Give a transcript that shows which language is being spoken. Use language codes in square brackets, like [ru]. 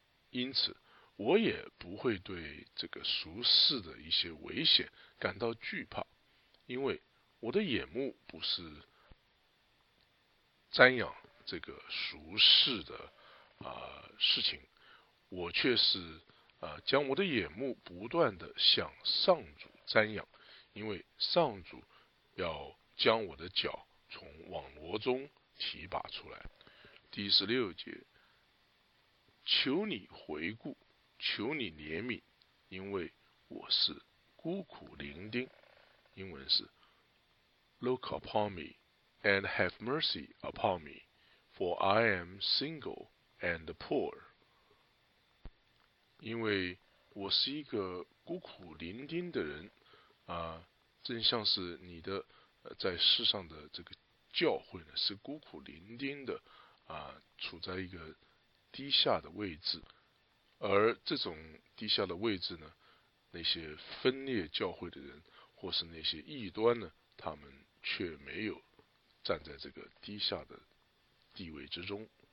[zh] 因此我也不会对这个俗世的一些危险感到惧怕，因为我的眼目不是瞻仰这个俗世的事情，我却是将我的眼目不断地向上主瞻仰，因为上主要将我的脚从网罗中提拔出来。第十六节，求你回顾，求你怜悯，因为我是孤苦伶仃。英文是 [en] Look upon me and have mercy upon me, for I am single and poor。 [zh] 因为我是一个孤苦伶仃的人正像是你的在世上的这个教会呢，是孤苦伶仃的处在一个低下的位置，而这种低下的位置呢，那些分裂教会的人或是那些异端呢，他们却没有站在这个低下的地位之中。